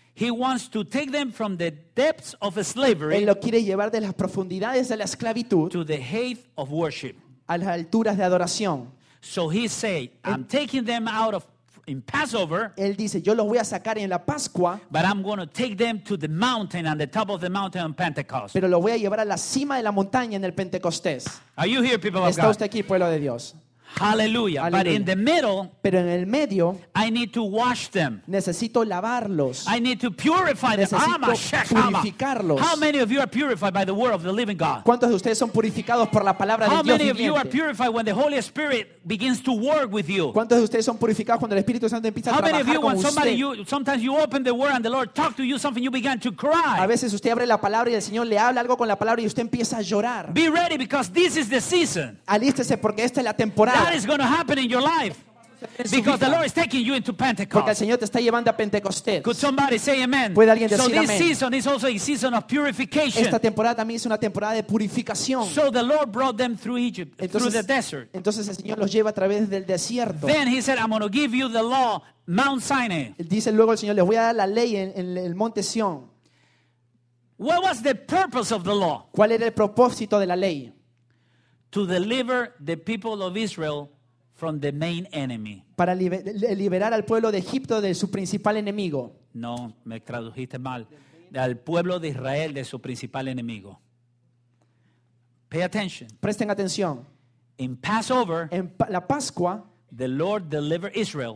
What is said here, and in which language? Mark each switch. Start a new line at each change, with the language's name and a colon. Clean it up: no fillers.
English: He wants to take them from the depths of slavery.
Spanish: Él lo quiere llevar de las profundidades de la esclavitud.
English: To the height of worship.
Spanish: A las alturas de adoración.
English: So he say, I'm taking them out of. In Passover,
Spanish: él dice, yo los voy a sacar en la Pascua,
English: but I'm going to take them to the mountain and the top of the mountain on Pentecost.
Spanish: Pero los voy a llevar a la cima de la montaña en el Pentecostés.
English: Are you here, people of God?
Spanish: ¿Está usted aquí, pueblo de Dios?
English: Hallelujah.
Spanish: Hallelujah.
English: But in the middle,
Spanish: pero en el medio,
English: I need to wash them.
Spanish: Necesito lavarlos.
English: I need to purify them.
Spanish: Purificarlos.
English: How many of you are purified by the word of the living God?
Spanish: ¿Cuántos de ustedes son purificados por la palabra de Dios?
English: How many of you are purified when the Holy Spirit begins to work with you?
Spanish: ¿Cuántos de ustedes son purificados cuando el Espíritu Santo empieza a trabajar con usted?
English: How many of you, when somebody you, sometimes you open the word and the Lord talk to you something, you begin to cry?
Spanish: A veces usted abre la palabra y el Señor le habla algo con la palabra y usted empieza a llorar.
English: Be ready because this is the season.
Spanish: Alístese porque esta es la temporada.
English: That is going to happen in your life because the Lord is taking you into Pentecost.
Spanish: Porque el Señor te está llevando a Pentecostés.
English: Could somebody say amen?
Spanish: ¿Puede alguien decir
English: amén? So this
Spanish: amen?
English: Season is also a season of purification.
Spanish: Esta temporada también es una temporada de purificación.
English: So the Lord brought them through Egypt, through the desert.
Spanish: Entonces el Señor los lleva a través del desierto.
English: Then he said, I'm going to give you the law, Mount Sinai.
Spanish: Dice luego el Señor, les voy a dar la ley en el monte Sion.
English: What was the purpose of the law?
Spanish: ¿Cuál era el propósito de la ley?
English: To deliver the people of Israel from the main enemy.
Spanish: Para liberar al pueblo de Egipto de su principal enemigo. No, me tradujiste mal. Al pueblo de Israel de su principal enemigo.
English: Pay attention.
Spanish: Presten atención.
English: In Passover,
Spanish: en la Pascua,
English: the Lord delivered Israel.